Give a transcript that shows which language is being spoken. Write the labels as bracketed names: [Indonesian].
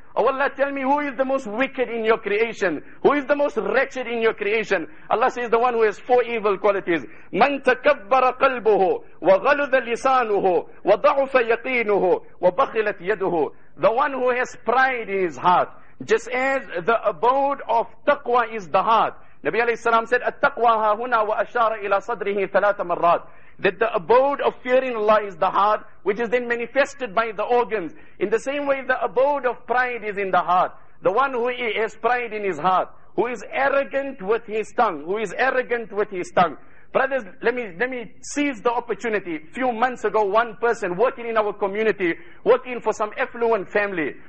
[English] Oh Allah, tell me, who is the most wicked in your creation? Who is the most wretched in your creation? Allah says, the one who has four evil qualities. [Arabic] مَنْ تَكَبَّرَ قَلْبُهُ وَغَلُذَ لِسَانُهُ وَضَعُفَ يَقِينُهُ وَبَخِلَتْ يَدُهُ. [English] The one who has pride in his heart. Just as the abode of taqwa is the heart. Nabi alayhi salam said, [Arabic] التَقْوَى هَا هُنَا وَأَشَارَ إِلَىٰ صَدْرِهِ ثَلَاثَ مَرَّاتٍ. [English] That the abode of fearing Allah is the heart, which is then manifested by the organs. In the same way, the abode of pride is in the heart. The one who has pride in his heart, who is arrogant with his tongue, who is arrogant with his tongue. Brothers, let me seize the opportunity. Few months ago, one person working in our community, working for some affluent family.